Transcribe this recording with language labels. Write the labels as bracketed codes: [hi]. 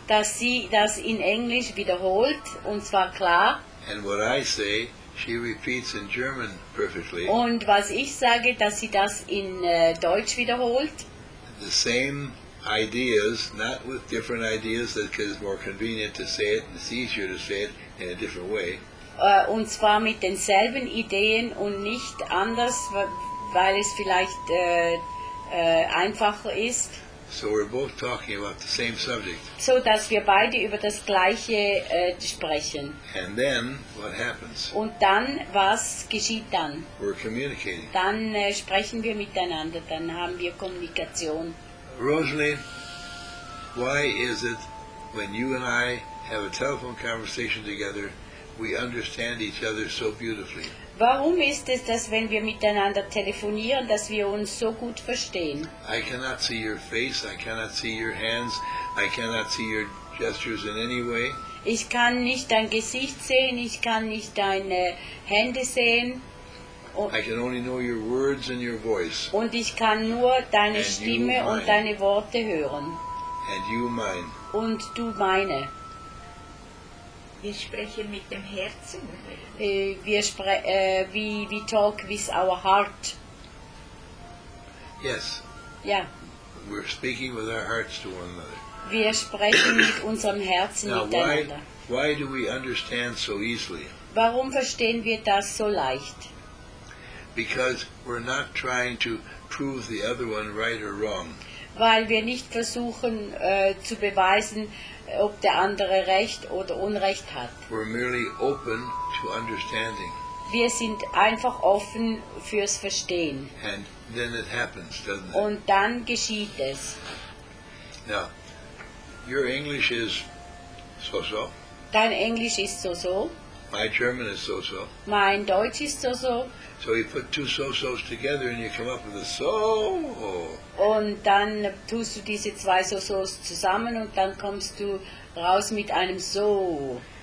[de] Dass sie das in Englisch wiederholt und zwar klar. [en] And what I say. She repeats in German perfectly. [de] Und was ich sage, dass sie das in Deutsch wiederholt. [en] The same ideas, not with different ideas, because it's more convenient to say it, and it's easier to say it in a different way. [de] Und zwar mit denselben Ideen und nicht anders, weil es vielleicht einfacher ist. [en] So we're both talking about the same subject. [de] So dass wir beide über das gleiche sprechen. [en] And then what happens? [de] Und dann was geschieht dann? [en] We're communicating. [de] Dann sprechen wir miteinander, dann haben wir Kommunikation. [en] Rosalie, why is it when you and I have a telephone conversation together, we understand each other so beautifully? [de] Warum ist es, dass wenn wir miteinander telefonieren, dass wir uns so gut verstehen? [en] I cannot see your face, I cannot see your hands, I cannot see your gestures in any way. [de] Ich kann nicht dein Gesicht sehen, ich kann nicht deine Hände sehen. [en] I can only know your words and your voice. [de] Und ich kann nur deine Stimme und deine Worte hören. [en] And you mine. [de] Und du meine. Wir sprechen mit dem Herzen. [en] We talk with our heart. Yes. Yeah. We're speaking with our hearts to one another. [de] Wir sprechen mit unserem Herzen [en] now, [de] miteinander. [en] Why do we understand so easily? [de] Warum verstehen wir das so leicht? [en] Because we're not trying to prove the other one right or wrong. [de] Weil wir nicht versuchen zu beweisen, ob der andere Recht oder Unrecht hat. [en] We're merely open to understanding. [de] Wir sind einfach offen fürs Verstehen. [en] And then it happens, doesn't it? [de] Und dann geschieht es. [en] Now, your English is so-so. [de] Dein Englisch ist so-so. [en] My German is so-so. [de] Mein Deutsch ist so-so. [en] So you put two so-sos together and you come up with a so. [de] Und dann tust du diese zwei so-sos zusammen und dann kommst du raus mit einem so.